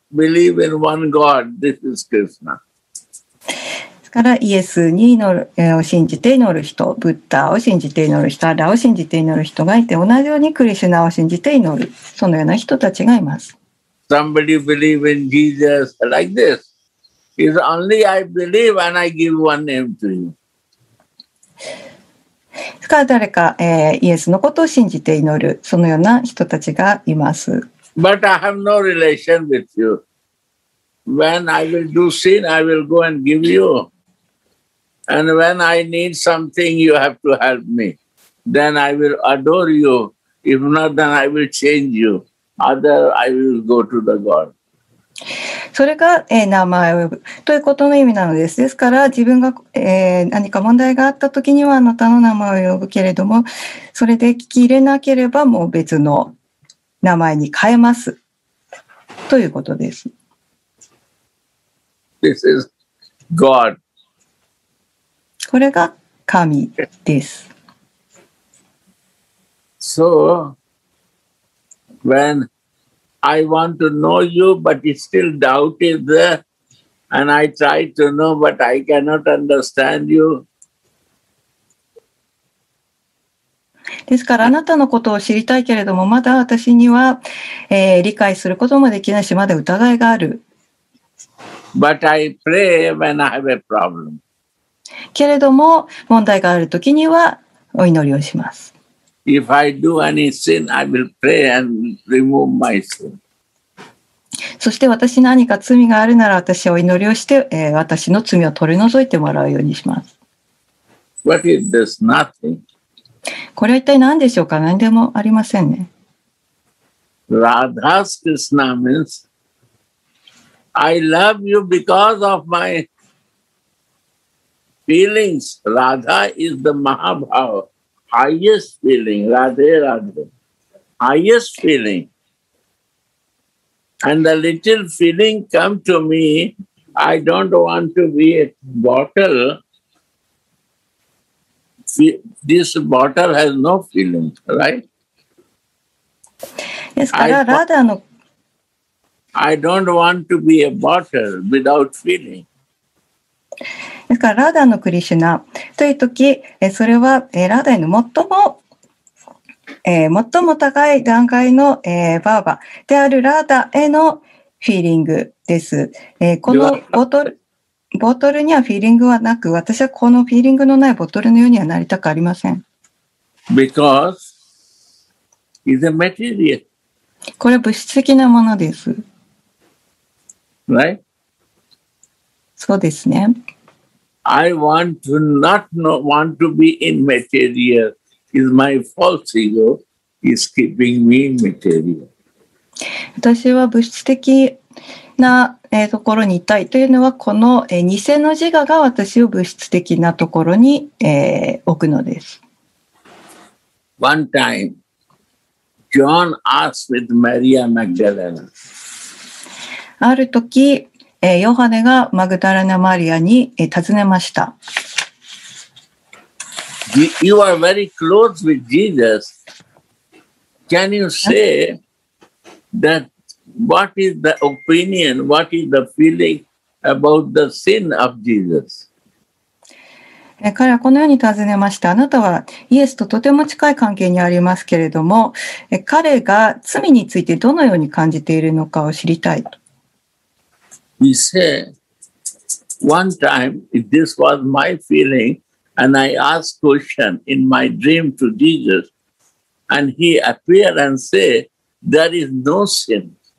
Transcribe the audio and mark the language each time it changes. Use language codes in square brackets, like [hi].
[en] Believe in one God. This is Krishna. [ja] ですからイエスに祈る、を信じて祈る人、ブッダを信じて祈る人、アラを信じて祈る人がいて、同じようにクリシュナを信じて祈る、そのような人たちがいます。 [en] Somebody believe in Jesus like this. It's only I believe and I give one name to you. [ja] ですから誰か、イエスのことを信じて祈る、そのような人たちがいます。 [en] But I have no relation with you. When I will do sin, I will go and give you. And when I need something, you have to help me. Then I will adore you. If not, then I will change you. Other, I will go to the God. [ja] それが、名前を呼ぶということの意味なのです。ですから、自分が、何か問題があったときには、あなたの名前を呼ぶけれども、それで聞き入れなければ、もう別の。名前に変えますということです。 [en] This is God. [ja] これが神です。 [en] So, when I want to know you, but still doubt is there, and I try to know, but I cannot understand you. [ja] ですからあなたのことを知りたいけれどもまだ私には、理解することもできないしまだ疑いがある。 [en] But I pray when I have a problem. [ja] けれども問題があるときにはお祈りをします。 [en] If I do any sin, I will pray and remove my sin. [ja] そして私に何か罪があるなら私はお祈りをして、私の罪を取り除いてもらうようにします。 [en] What is this? Nothing. [ja] これは一体何でしょうか。何でもありませんね。 [en] Radha's Krishna means I love you because of my feelings. Radha is the Mahabhava, highest feeling. Radhe, Radhe, highest feeling. And the little feeling come to me. I don't want to be a bottle. This bottle has no feeling, right? [ja] ですから、ラダの。 [en] I don't want to be a bottle without feeling. [ja] ですから、ラダのクリシュナというとき、それはラダの最も、最も高い段階のバーバであるラダへのフィーリングです。このボトル。ボトルにはフィーリングはなく、私はこのフィーリングのないボトルのようにはなりたくありません。 [en] Because it's a material. [ja] これは物質的なものです。 [en] Right? [ja] そうですね。 [en] I want to not know, want to be in material. It's my false ego is keeping me in material. [ja] 私は物質的な、ところにいたいというのは、この、偽の自我が私を物質的なところに、置くのです。 [en] One time John asked with Maria Magdalena. [ja] ある時、ヨハネがマグダラナ・マリアに、尋ねました。 [en] You are very close with Jesus. Can you say that what is the opinion, what is the feeling about the sin of Jesus? [ja] 彼はこのように尋ねました。あなたはイエスととても近い関係にありますけれども、彼が罪についてどのように感じているのかを知りたいと。 [en] He said, one time this was my feeling. And I asked question in my dream to Jesus, and he appeared and said, there is no sin.